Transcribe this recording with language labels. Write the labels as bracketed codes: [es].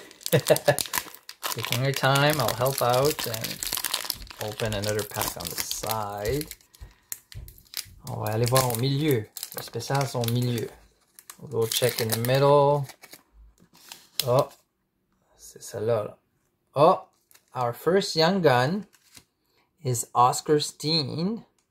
[en] Taking your time, I'll help out and open another pack on the side. [fr] On va aller voir au milieu. Les spéciales sont au milieu. [en] We'll go check in the middle. [fr] Oh, c'est celle-là. [en] Oh, our first young gun is Oscar Steen.